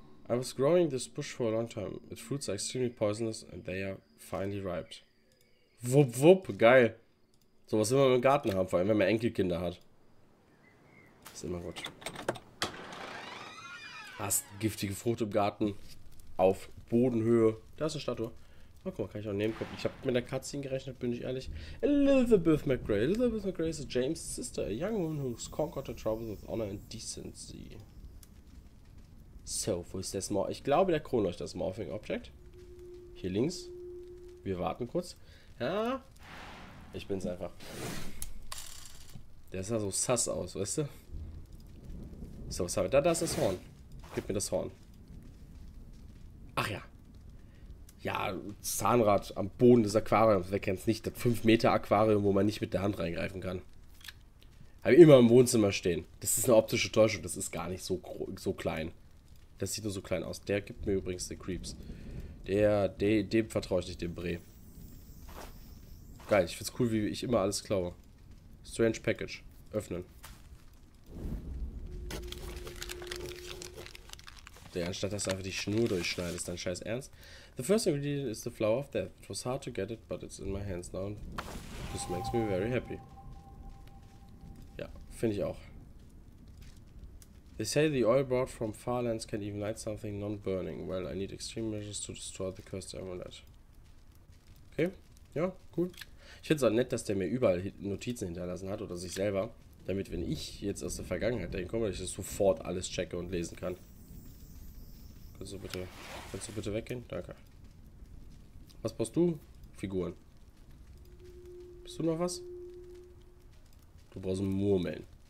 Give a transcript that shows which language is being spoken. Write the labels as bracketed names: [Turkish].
[English] I was growing this bush for a long time. Its fruits are extremely poisonous and they are finely ripe. [German] Wupp, wupp, geil. So was will man im Garten haben, vor allem wenn man Enkelkinder hat. Ist immer gut. Hast giftige Frucht im Garten. Auf Bodenhöhe. Da ist eine Statue. Oh, guck mal, kann ich auch nehmen. Guck, ich habe mit der Cutscene gerechnet, bin ich ehrlich. [English] Elizabeth McGray. Elizabeth McGray is James' sister, a young woman who's conquered the troubles of honor and decency. [German] So, wo ist das Morphing? Ich glaube, der Kronleuchter ist das Morphing Object. Hier links. Wir warten kurz. Ja. Ich bin's einfach. Der sah so sass aus, weißt du? So, was haben wir? Da ist das Horn. Gib mir das Horn. Ach ja. Ja, Zahnrad am Boden des Aquariums. Wer kennt's nicht? Das 5 Meter Aquarium, wo man nicht mit der Hand reingreifen kann. Habe immer im Wohnzimmer stehen. Das ist eine optische Täuschung. Das ist gar nicht so klein. Das sieht nur so klein aus. Der gibt mir übrigens die Creeps. Dem vertraue ich nicht, dem Bree. Geil, ich find's cool, wie ich immer alles klaue. Strange Package. Öffnen. Der, anstatt dass du einfach die Schnur durchschneidest, dein scheiß Ernst. [English] The first ingredient is the flower of death. It was hard to get it, but it's in my hands now. This makes me very happy. [German] Ja, finde ich auch. [English] They say the oil brought from far lands can even light something non-burning. Well, I need extreme measures to destroy the cursed amulet. [German] Okay, ja, cool. Ich finde es auch nett, dass der mir überall Notizen hinterlassen hat oder sich selber. Damit, wenn ich jetzt aus der Vergangenheit denke, komme, ich das sofort alles checke und lesen kann. Kannst du bitte weggehen? Danke. Was brauchst du, Figuren? Bist du noch was? Du brauchst einen Murmeln.